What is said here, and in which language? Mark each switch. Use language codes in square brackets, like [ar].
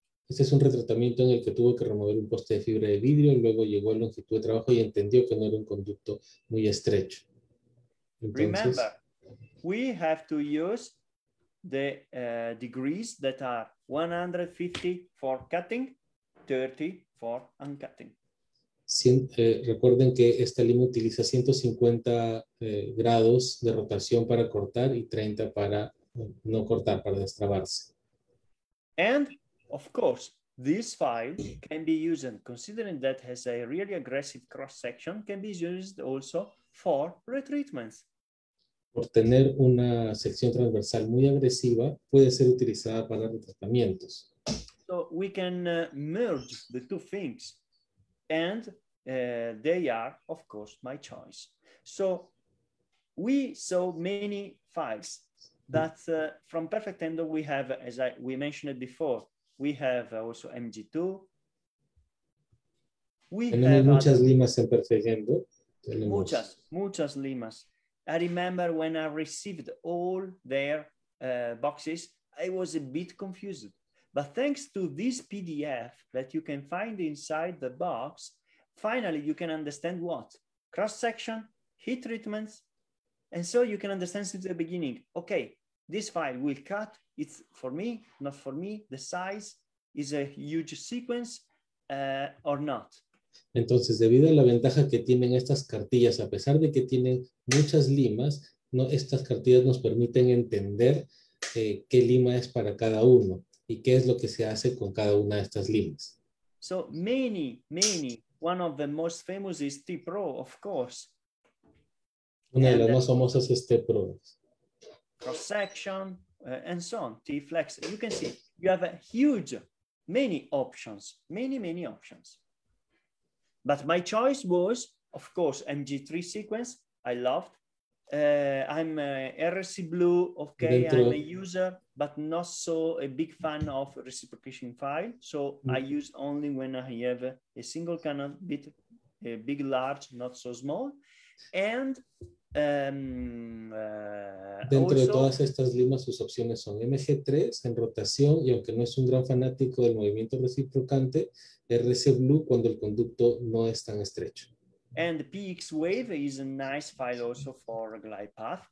[es] Este es un retratamiento en el que tuvo que remover un poste de fibra de vidrio, luego llegó a longitud de trabajo y entendió que no era un conducto muy estrecho. Entonces, [en] remember, we have to use the degrees that are 150 for cutting, 30 for uncutting. [es] Recuerden que esta lima utiliza 150 grados de rotación para cortar y 30 para no cortar, para destrabarse. [en] And of course, this file can be used, considering that has a really aggressive cross section, can be used also for retreatments. [es] Por tener una sección transversal muy agresiva, puede ser utilizada para retratamientos. [en] So we can merge the two things, and they are, of course, my choice. So we saw many files, but from Perfect Endo we have, as we mentioned before, we have also MG2. We have [es] muchas limas en Perfect Endo. Muchas, muchas limas. [en] I remember when I received all their boxes, I was a bit confused. But thanks to this PDF that you can find inside the box, finally you can understand what? Cross-section, heat treatments. And so you can understand since the beginning, okay, this file will cut, it's for me, not for me, the size is a huge sequence or not. [es] Entonces, debido a la ventaja que tienen estas cartillas, a pesar de que tienen muchas limas, ¿no? Estas cartillas nos permiten entender qué lima es para cada uno y qué es lo que se hace con cada una de estas limas. [en] So many, many, one of the most famous is T-Pro, of course. [es] Una de las más famosas es T-Pro. [en] Cross-section and so on, T-Flex. You can see, you have a huge, many options, many, many options. But my choice was, of course, MG3 sequence, I loved. I'm RSC Blue, okay, I'm a user, but not so a big fan of reciprocation file. So I use only when I have a single canal, bit, a big, large, not so small. And [es] dentro [en] also, [es] de todas estas limas, sus opciones son MG3 en rotación, y aunque no es un gran fanático del movimiento reciprocante, RC Blue cuando el conducto no es tan estrecho. [en] And PX Wave is a nice file also for glide path.